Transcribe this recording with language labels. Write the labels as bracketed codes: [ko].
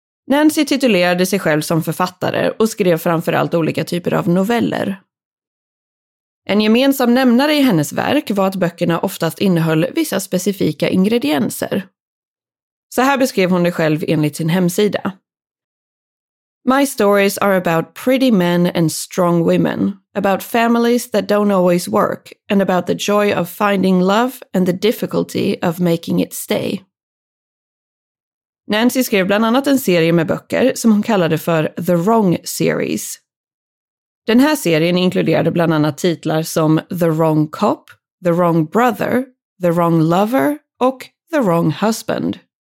[sv] Nancy titulerade sig själv som författare och skrev framförallt olika typer av noveller. En gemensam nämnare i hennes verk var att böckerna oftast innehöll vissa specifika ingredienser. Så här beskrev hon det själv enligt sin hemsida. [en] My stories are about pretty men and strong women, about families that don't always work, and about the joy of finding love and the difficulty of making it stay. [sv] Nancy skrev bland annat en serie med böcker som hon kallade för The Wrong Series. Den här serien inkluderade bland annat titlar som The Wrong Cop, The Wrong Brother, The Wrong Lover och The Wrong Husband.